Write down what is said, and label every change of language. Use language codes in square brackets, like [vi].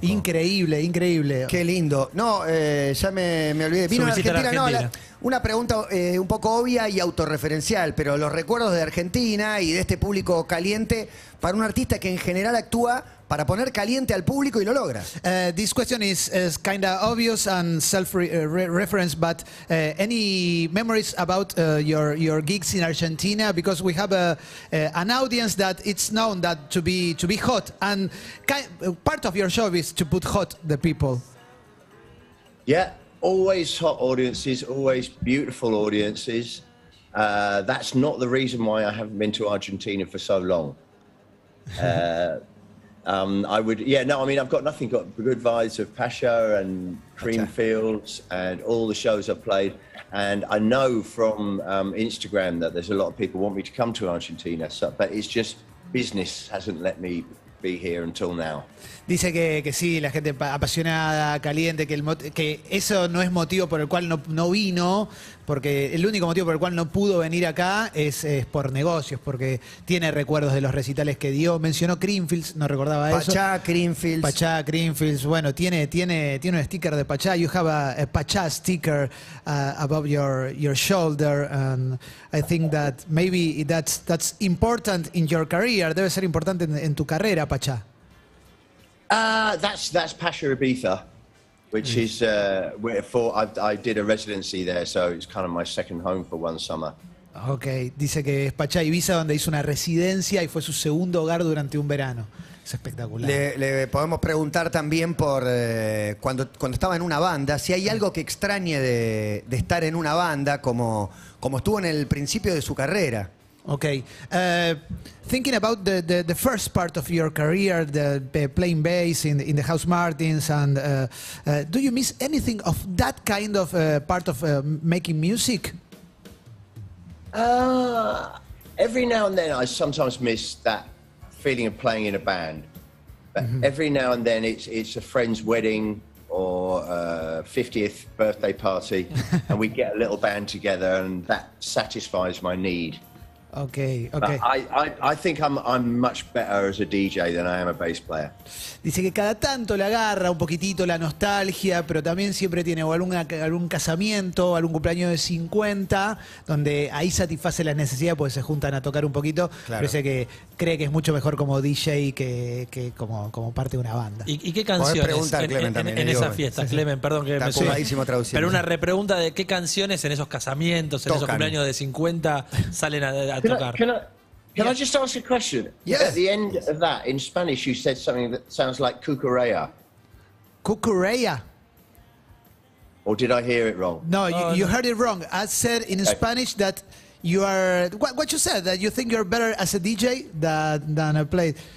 [es] Increíble, increíble. Qué lindo. No, ya me olvidé. Vino a Argentina. No, una pregunta un poco obvia y autorreferencial, pero los recuerdos de Argentina y de este público caliente para un artista que en general actúa para poner caliente al público y lo logra. [en] This question is kind of obvious and self-reference, but any memories about your gigs in Argentina? Because we have an audience that it's known that to be hot, and part of your job is to put hot the people. Yeah, always hot audiences, always beautiful audiences. That's not the reason why I haven't been to Argentina for so long. I've got nothing but good vibes of Pasha and Creamfields and all the shows I've played. And I know from Instagram that there's a lot of people want me to come to Argentina, so, but it's just business hasn't let me be here until now. [es] Dice que sí, la gente apasionada, caliente, que eso no es motivo por el cual no vino, porque el único motivo por el cual no pudo venir acá es por negocios, porque tiene recuerdos de los recitales que dio. Mencionó Creamfields, no recordaba eso. Pachá, Creamfields. Bueno, tiene un sticker de Pachá. [en] You have a Pachá sticker above your shoulder, and I think that maybe that's important in your career. [es] Debe ser importante en tu carrera, Pachá. [en] That's Pasha Ibiza, which is I did a residency there, so it's kind of my second home for one summer. [es] Okay, dice que es Pachá Ibiza donde hizo una residencia y fue su segundo hogar durante un verano. Es espectacular. Le podemos preguntar también por cuando estaba en una banda, si hay algo que extrañe de estar en una banda como estuvo en el principio de su carrera. [en] Okay, thinking about the first part of your career, the playing bass in the House Martins, and do you miss anything of that kind of part of making music? Every now and then I sometimes miss that feeling of playing in a band, but mm-hmm. every now and then it's a friend's wedding or a 50th birthday party, and we get a little band together, and that satisfies my need. Okay, okay. I think I'm much better as a DJ than I am a bass player. [es] Dice que cada tanto le agarra un poquitito la nostalgia, pero también siempre tiene algún casamiento, algún cumpleaños de 50, donde ahí satisface las necesidades porque se juntan a tocar un poquito. Claro. Pero dice que cree que es mucho mejor como DJ que como parte de una banda. ¿Y qué canciones en esa fiesta, sí, sí. Clemen, perdón que está me estoy apuradísimo traduciendo. Pero una repregunta de qué canciones en esos casamientos, en tocan. Esos cumpleaños de 50 salen a tocar. [en] Can I just ask a question? Yes. At the end of that, in Spanish, you said something that sounds like cucurella. Cucurella? Or did I hear it wrong? No, you heard it wrong. I said in Spanish that you are... What you said, that you think you're better as a DJ than a play.